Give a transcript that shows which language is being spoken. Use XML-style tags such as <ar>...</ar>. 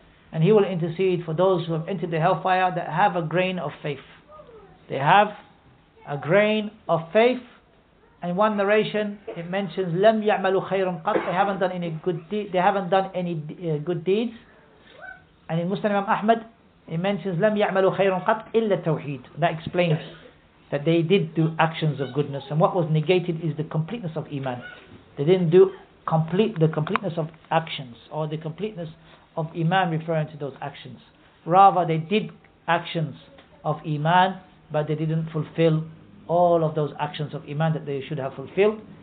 <en>And he will intercede for those who have entered the hellfire that have a grain of faith. They have a grain of faith. And one narration, it mentions</en> <ar>لَمْ يَعْمَلُوا خَيْرٌ قَطْ.</ar> <en>They haven't done any good deeds. And in Muslim Imam Ahmad, He mentions</en> <ar>لَمْ يَعْمَلُوا خَيْرٌ قَطْ إِلَّا التَّوْحِيدُ.</ar> <en>That explains that they did do actions of goodness, and what was negated is the completeness of Iman. They didn't do the completeness of actions, or the completeness of Iman referring to those actions. Rather, they did actions of Iman, but they didn't fulfill all of those actions of Iman that they should have fulfilled.</en>